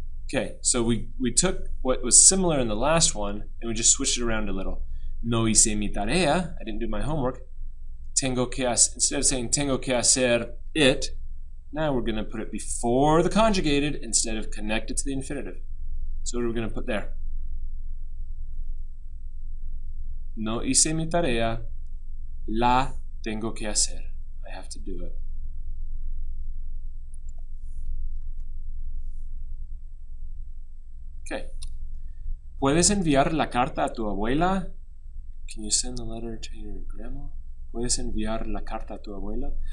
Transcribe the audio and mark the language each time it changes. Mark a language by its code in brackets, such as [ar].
[en] Okay, so we took what was similar in the last one and we just switched it around a little. [es] No hice mi tarea, [en] I didn't do my homework. [es] Tengo que hacer, [en] instead of saying [es] tengo que hacer [en] it, now we're gonna put it before the conjugated instead of connected to the infinitive. So what are we gonna put there? [es] No hice mi tarea, la tengo que hacer. [en] I have to do it. [es] Okay. ¿Puedes enviar la carta a tu abuela? [en] Can you send the letter to your grandma? [es] ¿Puedes enviar la carta a tu abuela?